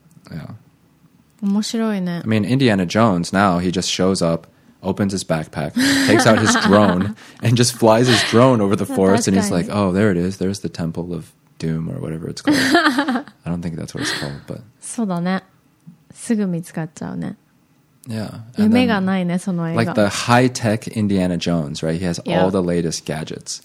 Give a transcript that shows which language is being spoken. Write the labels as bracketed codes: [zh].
[en] Yeah. [ja] 面白いね。 [en] I mean, Indiana Jones, now, he just shows up, opens his backpack, takes out his drone, and just flies his drone over the forest, and he's like, oh, there it is, there's the Temple of Doom, or whatever it's called. I don't think that's what it's called, but... [ja] そうだね。すぐ見つかっちゃうね。 [en] Yeah. [ja] 夢がないね、その映画。 [en] Like the high-tech Indiana Jones, right? He has all the latest gadgets.